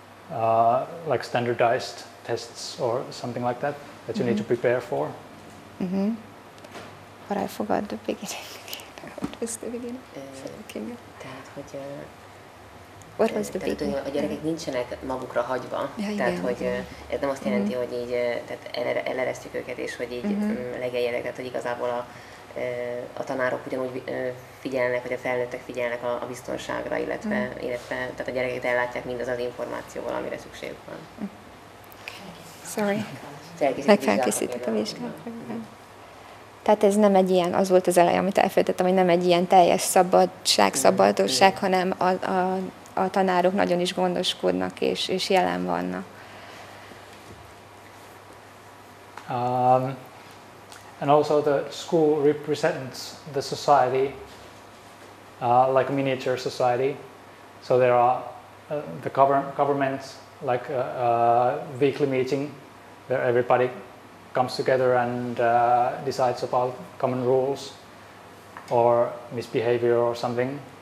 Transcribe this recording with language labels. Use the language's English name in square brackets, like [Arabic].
[English] Like standardized tests or something like that that you need to prepare for. Mm-hmm. But I forgot the beginning. What was the beginning? [Hungarian] Tehát, hogy [English] What was the [Hungarian] tehát, [English] big? [Hungarian] A gyerekek nincsenek magukra hagyva, ja, tehát igen, hogy igen. Ez nem azt jelenti, hogy így, tehát eleresztjük őket és hogy így legeljenek, tehát hogy igazából a tanárok ugyanúgy figyelnek, vagy a felnőttek figyelnek a biztonságra, illetve illetve tehát a gyerekek ellátják mindaz az információval, amire szükségük van. [English] Sorry. [Hungarian] Megfelkészítik a vizsgát. Tehát ez nem egy ilyen, az volt az elej, amit elfelejtettem, hogy nem egy ilyen teljes szabadság, szabadosság, hanem a tanárok nagyon is gondoskodnak, és jelen vannak. [English] And also the school represents the society, like a miniature society. So there are the government, like a weekly meeting, where everybody comes together and decides about common rules or misbehavior or something.